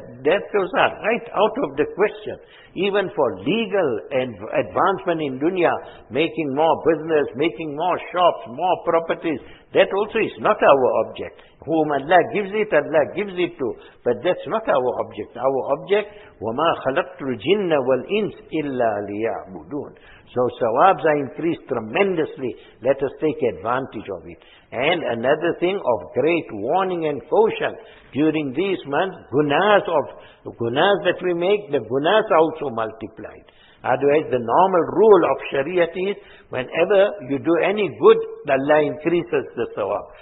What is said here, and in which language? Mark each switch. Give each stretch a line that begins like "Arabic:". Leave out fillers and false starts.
English: That goes out, right out of the question. Even for legal and advancement in dunya, making more business, making more shops, more properties, that also is not our object. Whom Allah gives it to. But that's not our object. Our object,
Arabic: وَمَا خَلَقْتُ الْجِنَّ وَالْإِنْسِ إِلَّا لِيَعْبُدُونَ.
English: So, sawabs are increased tremendously. Let us take advantage of it. And another thing of great warning and caution, during these months, gunas that we make, the gunas are also multiplied. Otherwise, the normal rule of Sharia is, whenever you do any good, Allah increases the sawab.